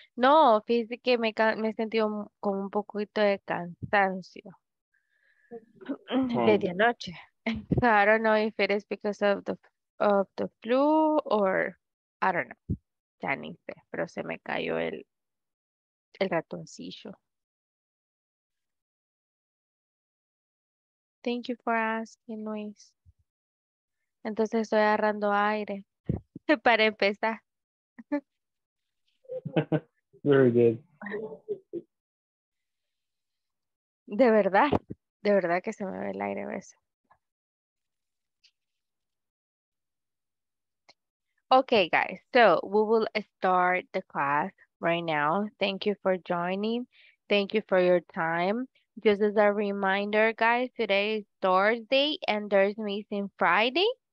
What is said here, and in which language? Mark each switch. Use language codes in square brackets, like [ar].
[es] No, fíjate que me he sentido como un poquito de cansancio desde anoche. [en] So I don't know if it is because of the flu or I don't know. [es] Ya ni sé, pero se me cayó el ratoncillo. [en] Thank you for asking, [es] Luis. Entonces estoy agarrando aire para empezar. [en] Very good. [es] De verdad que se me ve el aire a veces. [en] Okay, guys, so we will start the class right now. Thank you for joining. Thank you for your time. Just as a reminder, guys, today is Thursday and there's missing Friday.